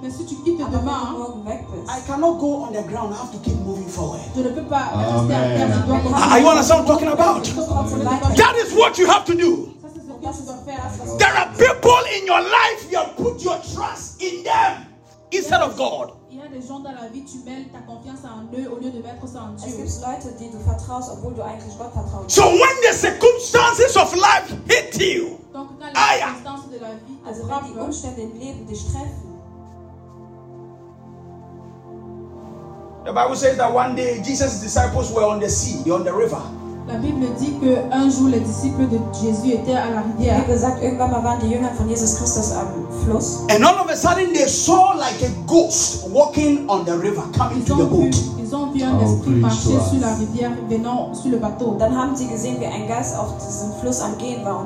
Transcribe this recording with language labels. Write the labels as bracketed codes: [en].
[fr] mais si tu quittes demain, [en] I cannot go on the ground. I have to keep moving forward. [fr] Je ne peux pas rester à terre. [en] Are you understand what I'm talking about? Amen. That is what you have to do. [fr] Ça, c'est ce que tu dois faire. [en] There are people in your life, you have put your trust in them instead of God. [fr] Il y a des gens dans la vie, tu mets ta confiance en eux au lieu de mettre ça en Dieu. [de] Es gibt Leute, die du vertraust, obwohl du eigentlich Gott vertraust. [en] So when the circumstances of life hit you, [fr] donc quand les circonstances de la vie, [de] also wenn die Umstände im Leben dich treffen. [en] The Bible says that one day Jesus' disciples were on the sea, they're on the river. [fr] La Bible dit que un jour les disciples de Jésus étaient à la rivière. [de] Wie gesagt, irgendwann waren die Jünger von Jesus Christus am Fluss. [en] And all of a sudden they saw like a ghost walking on the river coming to the boat. [fr] Ils ont vu un esprit marcher sur la rivière venant sur le bateau. [de] Dann haben sie gesehen, wie ein Geist auf diesem Fluss am Gehen war.